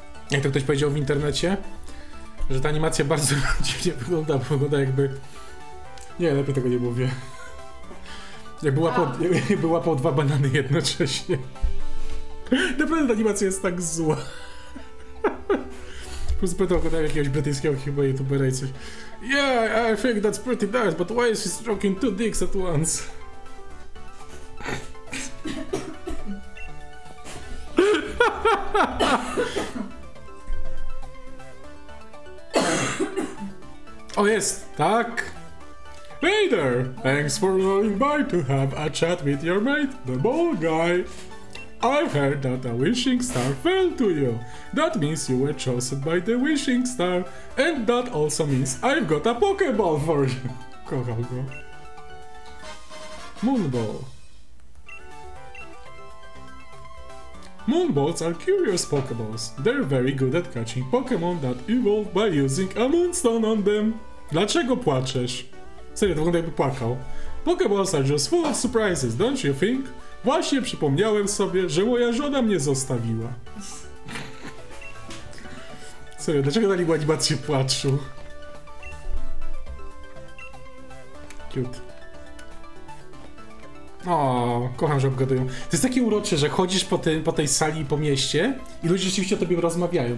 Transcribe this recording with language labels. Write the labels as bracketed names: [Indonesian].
[Polish] Jak to ktoś powiedział w internecie, że ta animacja bardzo dziwnie wygląda, bo wygląda jakby... Nie, lepiej tego nie mówię. Jak była po, dwa banany jednocześnie. Naprawdę ta animacja jest tak zła. Plus pytał go tam jakiegoś brytyjskiego chyba youtubera i coś. [English] Yeah, I think that's pretty nice, but why is he stroking two dicks at once? [Polish] O jest, tak? [English] Hey there! Thanks for going by to have a chat with your mate, the ball guy. I've heard that a wishing star fell to you. That means you were chosen by the wishing star. And that also means I've got a pokeball for you. [Polish] Kocham go. [English] Moonball. Moonballs are curious pokeballs. They're very good at catching Pokemon that evolve by using a moonstone on them. [Polish] Dlaczego płaczesz? Serio, to wygląda jakby płakał. [English] Pokeballs are just full of surprises, don't you think? [Polish] Właśnie przypomniałem sobie, że moja żona mnie zostawiła. Serio, dlaczego dali mu animację płaczu? [English] Cute. [Polish] O, kocham, że obgadują. To jest takie urocze, że chodzisz po, tym, po tej sali i po mieście i ludzie rzeczywiście o tobie rozmawiają.